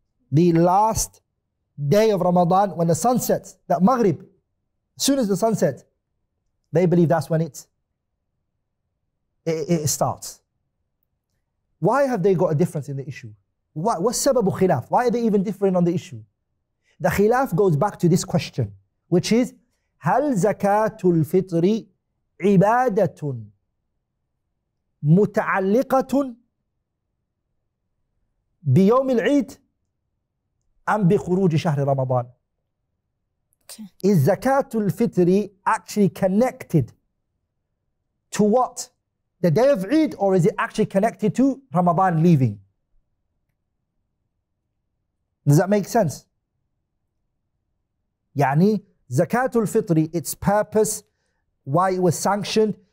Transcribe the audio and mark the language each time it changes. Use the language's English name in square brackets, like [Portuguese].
[English] The last day of Ramadan, when the sun sets, that Maghrib, as soon as the sun sets, they believe that's when it starts. Why have they got a difference in the issue? What's sababu khilaf? Why are they even differing on the issue? The khilaf goes back to this question, which is, [Arabic] هل زكاة الفطر عبادة متعلقة بيوم العيد أم بخروج شهر رمضان؟ [English] Okay. Is Zakat al-Fitr actually connected to what? The day of Eid, or is it actually connected to Ramadan leaving? Does that make sense? [Arabic] يعني [English] Zakat al-Fitr, its purpose, why it was sanctioned?